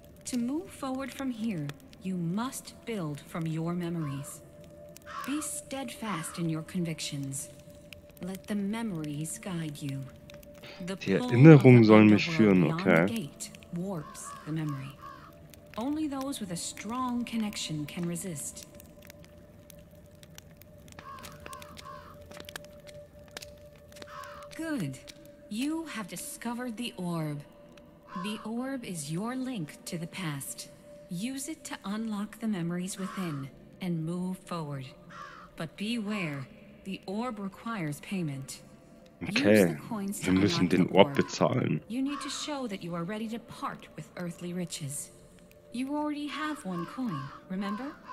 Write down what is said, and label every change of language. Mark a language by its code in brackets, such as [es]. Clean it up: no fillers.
[en] To move forward from here, you must build from your memories. Be steadfast in your convictions. Let the memories guide you. [de] Die Erinnerung soll mich führen, okay. [en] Gate warps the memory. Only those with a strong connection can resist. Good. You have discovered the orb. The orb is your link to the past. Use it to unlock the memories within and move forward. But beware, the orb requires payment. [de] Okay, wir müssen den Orb bezahlen. [en] You need to show that you are ready to part with earthly riches. You already have one coin, remember?